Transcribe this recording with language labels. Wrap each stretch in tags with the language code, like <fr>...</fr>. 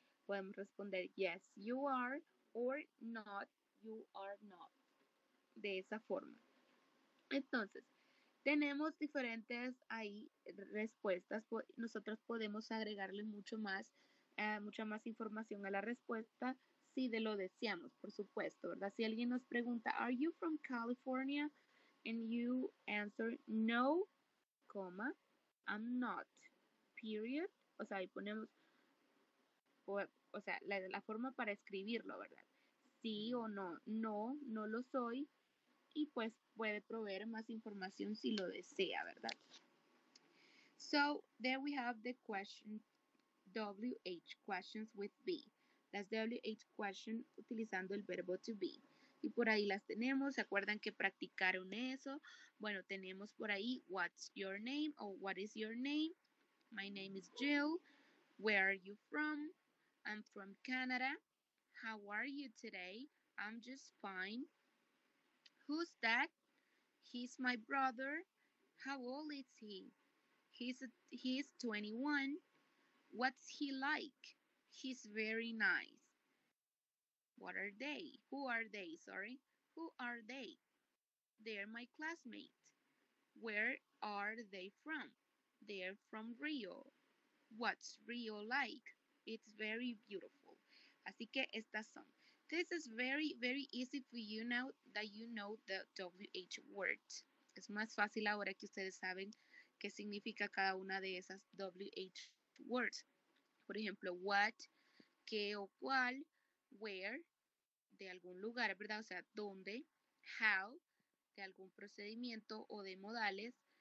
<es>Podemos responder,</es> <en>yes, you are, or not, you are not.</en> <es>De esa forma. Entonces, tenemos diferentes ahí respuestas. Nosotros podemos agregarle mucha más información a la respuesta si de lo deseamos, por supuesto, ¿verdad? Si alguien nos pregunta,</es> <en>are you from California? And you answer, no, comma, I'm not, period.</en> <es>O sea, ahí ponemos, la forma para escribirlo, ¿verdad? Sí o no, no lo soy. Y pues puede proveer más información si lo desea, ¿verdad?</es> <en>So, there we have the question, WH, questions with be. That's WH question</en> <es>utilizando el verbo</es> <en>to be.</en> <es>Y por ahí las tenemos, ¿se acuerdan que practicaron eso? Bueno, tenemos por ahí,</es> <en>what's your name? O what is your name? My name is Jill. Where are you from? I'm from Canada. How are you today? I'm just fine. Who's that? He's my brother. How old is he? He's 21. What's he like? He's very nice. What are they? Who are they? Sorry. Who are they? They're my classmate. Where are they from? They're from Rio. What's Rio like? It's very beautiful.</en> <es>Así que estas son.</es> <en>This is very, very easy for you now that you know the WH word.</en> <es>Es más fácil ahora que ustedes saben qué significa cada una de esas WH words. Por ejemplo, what, qué o cuál, where, de algún lugar, ¿verdad? O sea, dónde, how, de algún procedimiento o de modales.</es>